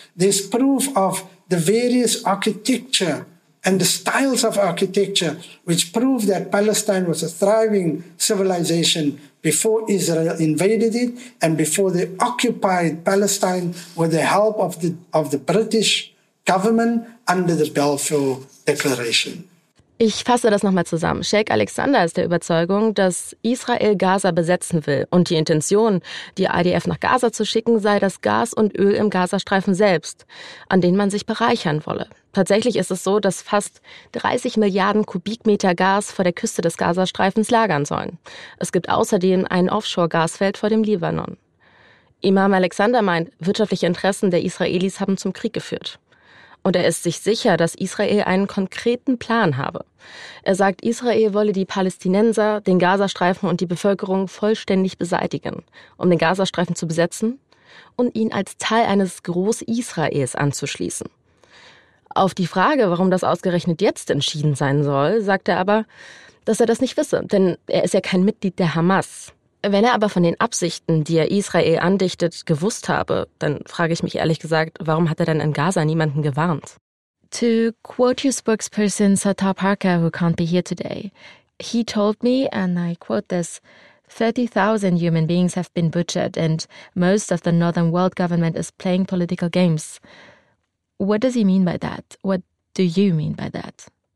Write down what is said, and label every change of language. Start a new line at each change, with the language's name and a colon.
English: There's proof of the various architecture and the styles of architecture, which prove that Palestine was a thriving civilization before Israel invaded it and before they occupied Palestine with the help of the British government under the Balfour Declaration.
German: Ich fasse das nochmal zusammen. Sheikh Alexander ist der Überzeugung, dass Israel Gaza besetzen will und die Intention, die IDF nach Gaza zu schicken, sei das Gas und Öl im Gazastreifen selbst, an denen man sich bereichern wolle. Tatsächlich ist es so, dass fast 30 Milliarden Kubikmeter Gas vor der Küste des Gazastreifens lagern sollen. Es gibt außerdem ein Offshore-Gasfeld vor dem Libanon. Imam Alexander meint, wirtschaftliche Interessen der Israelis haben zum Krieg geführt. Und er ist sich sicher, dass Israel einen konkreten Plan habe. Er sagt, Israel wolle die Palästinenser, den Gazastreifen und die Bevölkerung vollständig beseitigen, um den Gazastreifen zu besetzen und ihn als Teil eines Groß-Israels anzuschließen. Auf die Frage, warum das ausgerechnet jetzt entschieden sein soll, sagt er aber, dass er das nicht wisse, denn er ist ja kein Mitglied der Hamas. Wenn er aber von den Absichten, die er Israel andichtet, gewusst habe, dann frage ich mich ehrlich gesagt, warum hat er denn in Gaza niemanden gewarnt?
English: To quote your spokesperson Sattar Parker, who can't be here today, he told me, and I quote this, 30,000 human beings have been butchered and most of the northern world government is playing political games. What does he mean by that? What do you mean by that?